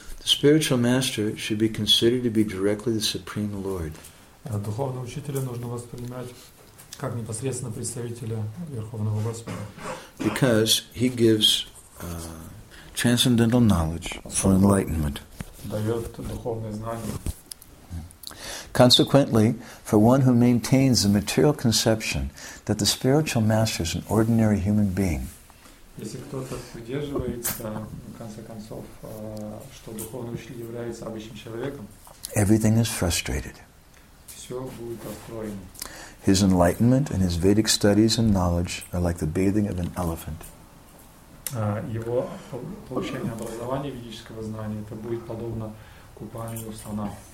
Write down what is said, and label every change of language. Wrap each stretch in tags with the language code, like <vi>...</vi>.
<en>The spiritual master should be considered to be directly the Supreme Lord.</en> <ru>Духовного учителя нужно воспринимать как непосредственно представителя Верховного Господа.</ru> <en>Because he gives transcendental knowledge for enlightenment.</en> <ru>Дает духовное знание.</ru> <en>Consequently, for one who maintains the material conception that the spiritual master is an ordinary human being,</en> <ru>если кто-то придерживается, в конце концов, что духовный учитель является обычным человеком,</ru> <en>everything is frustrated.</en> <ru>Все будет расстроено.</ru> <en>His enlightenment and his Vedic studies and knowledge are like the bathing of an elephant.</en> <ru>Его получение образования ведического знания это будет подобно купанию слона.</ru>